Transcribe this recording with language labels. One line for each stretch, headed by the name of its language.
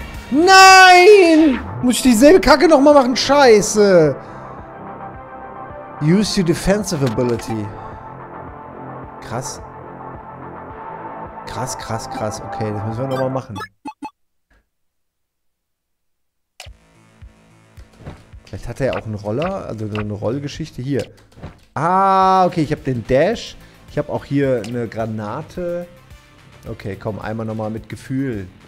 German: Nein! Muss ich dieselbe Kacke nochmal machen? Scheiße!
English: Use your defensive ability.
German: Krass. Krass, krass, krass. Okay, das müssen wir nochmal machen. Vielleicht hat er ja auch einen Roller, also so eine Rollgeschichte hier. Ah, okay, ich habe den Dash. Ich habe auch hier eine Granate. Okay, komm, einmal nochmal mit Gefühl.